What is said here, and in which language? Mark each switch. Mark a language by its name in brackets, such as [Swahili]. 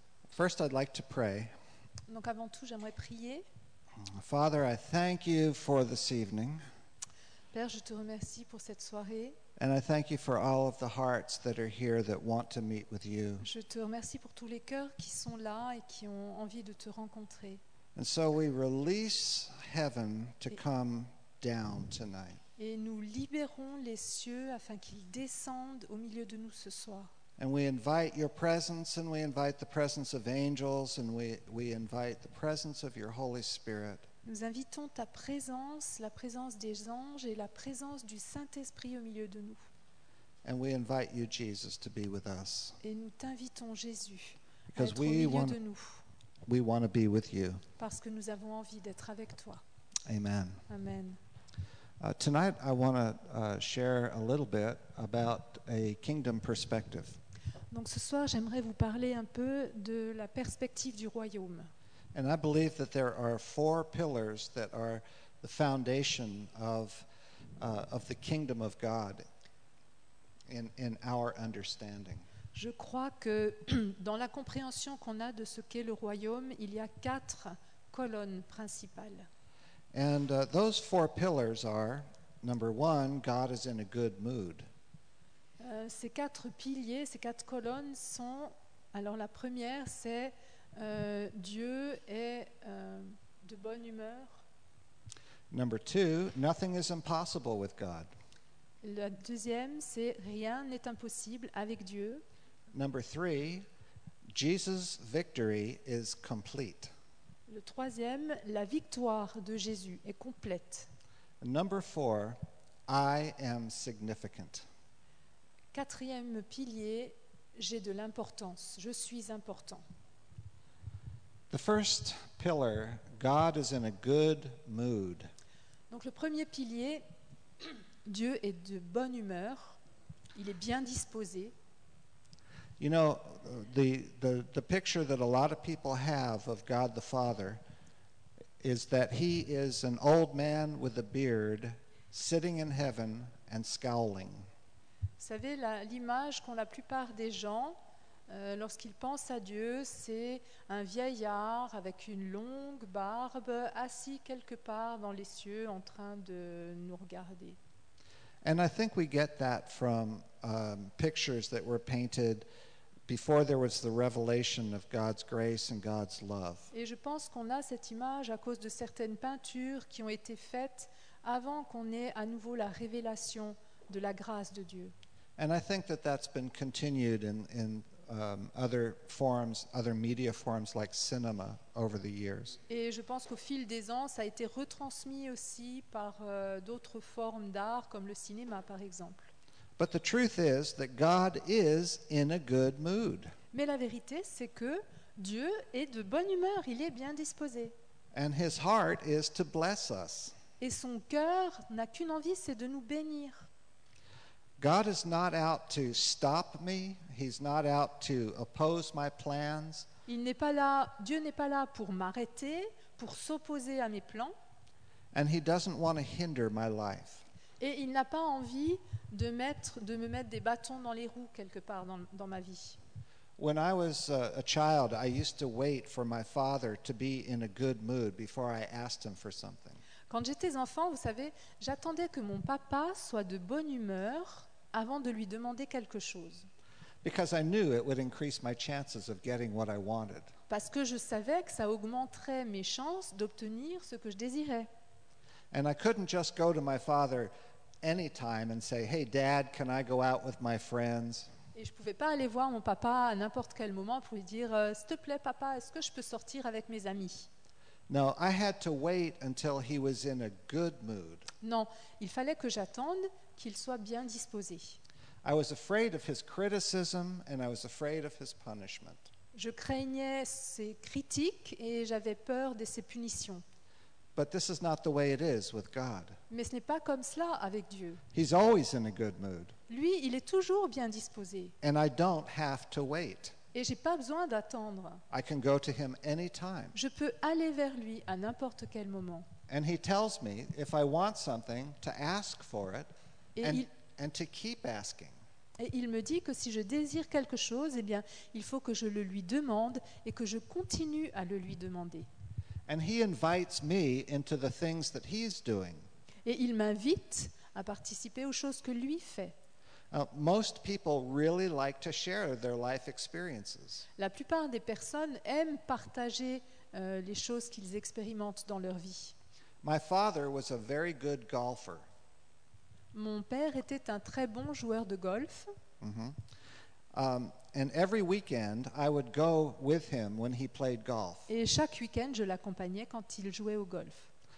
[English] First, I'd like to pray. [French] Donc avant tout, j'aimerais prier. [English] Father, I thank you for this evening. [French] Père, je te remercie pour cette soirée. [English] And I thank you for all of the hearts that are here that want to meet with you. [French] Je te remercie pour tous les cœurs qui sont là et qui ont envie de te rencontrer. [English] And so we release heaven to come down tonight. [French] Et nous libérons les cieux afin qu'ils descendent au milieu de nous ce soir. [English] And we invite your presence, and we invite the presence of angels, and we invite the presence of your Holy Spirit. [French] Nous invitons ta présence, la présence des anges et la présence du Saint-Esprit au milieu de nous. [English] And we invite you, Jesus, to be with us. [French] Et nous t'invitons, Jésus, [English] because [French] à être au milieu de nous. [English] We want to be with you. [French] Parce que nous avons envie d'être avec toi. [English] Amen. [French] Amen. [English] Tonight, I want to share a little bit about a kingdom perspective. [French] Donc ce soir, j'aimerais vous parler un peu de la perspective du royaume. [English] And I believe that there are 4 pillars that are the foundation of the kingdom of God in our understanding. [French] Je crois que dans la compréhension qu'on a de ce qu'est le royaume, il y a 4 colonnes principales. [English] And those 4 pillars are, number 1, God is in a good mood. [French] Ces 4 piliers, ces 4 colonnes sont, alors la première c'est Dieu est de bonne humeur. [English] Number 2, nothing is impossible with God. [French] La deuxième, c'est rien n'est impossible avec Dieu. [English] Number 3, Jesus' victory is complete. [French] Le troisième, la victoire de Jésus est complète. [English] Number 4, I am significant. [French] Quatrième pilier, j'ai de l'importance, je suis important. [English] The first pillar, God is in a good mood. [French] Donc le premier pilier, Dieu est de bonne humeur, il est bien disposé. [English] You know, the picture that a lot of people have of God the Father is that he is an old man with a beard sitting in heaven and scowling. [French] Vous savez, l'image qu'ont la plupart des gens lorsqu'il pense à Dieu, c'est un vieillard avec une longue barbe assis quelque part dans les cieux en train de nous regarder. [English] And I think we get that from pictures that were painted before there was the revelation of God's grace and God's love. [French] Et je pense qu'on a cette image à cause de certaines peintures qui ont été faites avant qu'on ait à nouveau la révélation de la grâce de Dieu. [English] And I think that that's been continued in other forms, other media forms like cinema over the years. [French] Et je pense qu'au fil des ans, ça a été retransmis aussi par d'autres formes d'art comme le cinéma par exemple. [English] But the truth is that God is in a good mood. [French] Mais la vérité c'est que Dieu est de bonne humeur, il est bien disposé. [English] And his heart is to bless us. [French] Et son cœur n'a qu'une envie, c'est de nous bénir. [English] God is not out to stop me. He's not out to oppose my plans. [French] Il n'est pas là, Dieu n'est pas là pour m'arrêter, pour s'opposer à mes plans. [English] And he doesn't want to hinder my life. [French] Et il n'a pas envie de me mettre des bâtons dans les roues quelque part dans ma vie. [English] When I was a child, I used to wait for my father to be in a good mood before I asked him for something. [French] Quand j'étais enfant, vous savez, j'attendais que mon papa soit de bonne humeur avant de lui demander quelque chose. [English] Because I knew it would increase my chances of getting what I wanted. [French] Parce que je savais que ça augmenterait mes chances d'obtenir ce que je désirais. [English] And I couldn't just go to my father anytime and say, "Hey, Dad, can I go out with my friends?" [French] Et je ne pouvais pas aller voir mon papa à n'importe quel moment pour lui dire, s'il te plaît, papa, est-ce que je peux sortir avec mes amis? [English] Now, I had to wait until he was in a good mood. [French] Non, il fallait que j'attende qu'il soit bien disposé. [English] I was afraid of his criticism and I was afraid of his punishment. [French] Je craignais ses critiques et j'avais peur de ses punitions. [English] But this is not the way it is with God. [French] Mais ce n'est pas comme cela avec Dieu. [English] He's always in a good mood. [French] Lui, il est toujours bien disposé. [English] And I don't have to wait. [French] Et je n'ai pas besoin d'attendre. [English] I can go to him anytime. [French] Je peux aller vers lui à n'importe quel moment. [English] And he tells me if I want something to ask for it and to keep asking. [French] Et il me dit que si je désire quelque chose, eh bien, il faut que je le lui demande et que je continue à le lui demander. [English] And he invites me into the things that he's doing. [French] Et il m'invite à participer aux choses que lui fait. [English] Most people really like to share their life experiences. [French] La plupart des personnes aiment partager les choses qu'ils expérimentent dans leur vie. [English] My father was a very good golfer. [French] Mon père était un très bon joueur de golf. Mm-hmm. [English] And every weekend, I would go with him when he played golf. [French] Et chaque week-end, je l'accompagnais quand il jouait au golf.